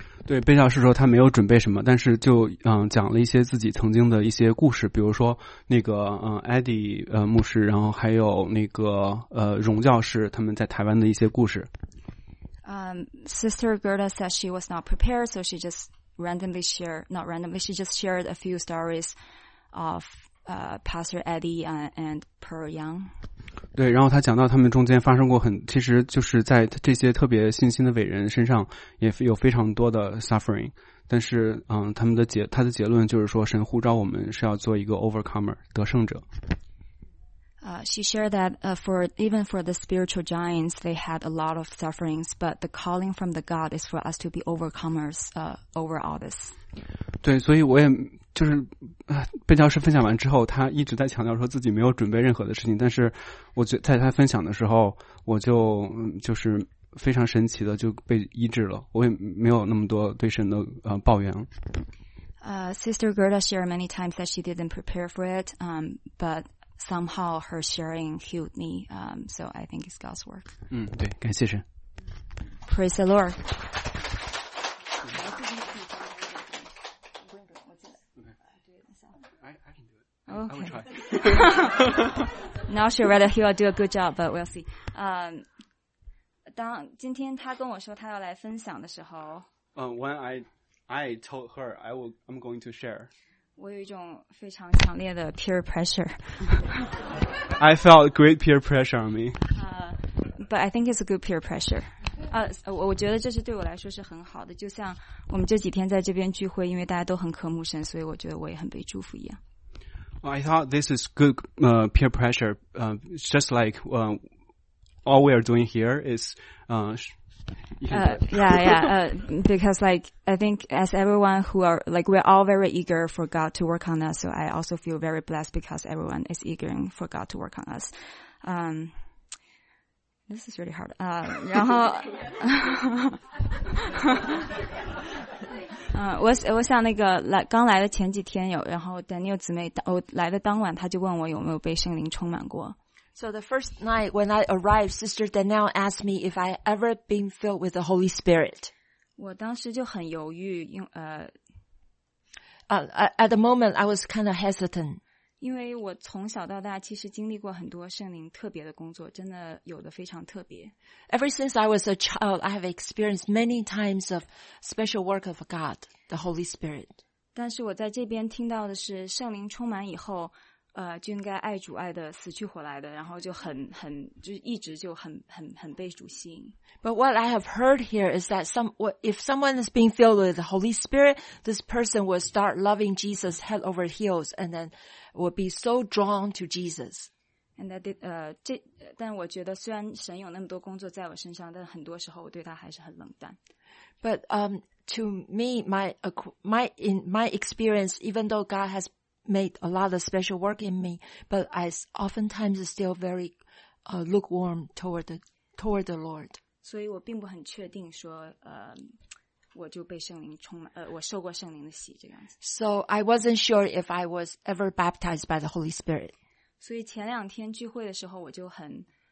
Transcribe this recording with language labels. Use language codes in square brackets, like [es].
[zh] 对，贝教师说他没有准备什么，但是就讲了一些自己曾经的一些故事，比如说那个Eddie 牧师，然后还有那个荣教师他们在台湾的一些故事。 [en] Sister Gerda said she was not prepared, so she just randomly shared, not randomly, she just shared a few stories of Pastor Eddie and Pearl Young. [zh] 对，然后他讲到他们中间发生过很，其实就是在这些特别信心的伟人身上也有非常多的 suffering。但是，他的结论就是说，神呼召我们是要做一个 overcomer， 得胜者。 [en] She shared that for the spiritual giants, they had a lot of sufferings, but the calling from the God is for us to be overcomers over all this. [zh] 对，所以我也就是贝教师分享完之后，他一直在强调说自己没有准备任何的事情，但是我觉得在他分享的时候，我就是非常神奇的就被医治了，我也没有那么多对神的抱怨。 [en] Sister Gerda shared many times that she didn't prepare for it, but somehow her sharing healed me, so I think it's God's work. [zh] 对，感谢神。 [en] Praise the Lord. Okay. Not sure whether he will do a good job, but we'll see. [zh] 当今天他跟我说他要来分享的时候 [en] When I told her I'm going to share, [zh] 我有一种非常强烈的 peer pressure. [en] I felt great peer pressure on me. But I think it's a good peer pressure. [zh] 我觉得这是对我来说是很好的，就像我们这几天在这边聚会，因为大家都很渴慕神，所以我觉得我也很被祝福一样。 [en] I thought this is good peer pressure. Just like all we are doing here is, because like I think as everyone who are like we're all very eager for God to work on us. So I also feel very blessed because everyone is eager for God to work on us. This is really hard. 然后。 [zh] 我想那个刚来的前几天有，然后 Daniel 姊妹我来的当晚，她就问我有没有被圣灵充满过。 [en] So the first night when I arrived, Sister Danielle asked me if I ever been filled with the Holy Spirit. [zh] 我当时就很犹豫，因 [en] At the moment, I was kind of hesitant. [zh] 因为我从小到大其实经历过很多圣灵特别的工作，真的有的非常特别。 [en] Ever since I was a child, I have experienced many times of special work of God, the Holy Spirit. [zh] 但是我在这边听到的是圣灵充满以后，就应该爱主爱的死去活来的，然后就很就一直就很被主吸引。 [en] But what I have heard here is that if someone is being filled with the Holy Spirit, this person will start loving Jesus head over heels, and then will be so drawn to Jesus. And that [zh] 但我觉得虽然神有那么多工作在我身上，但很多时候我对他还是很冷淡。 [en] But to me, my experience, even though God has made a lot of special work in me, but I oftentimes still very lukewarm toward the Lord. [zh] 所以我并不很确定说我就被圣灵充满我受过圣灵的洗这样子。 [en] So I wasn't sure if I was ever baptized by the Holy Spirit. [zh] 所以前两天聚会的时候我就很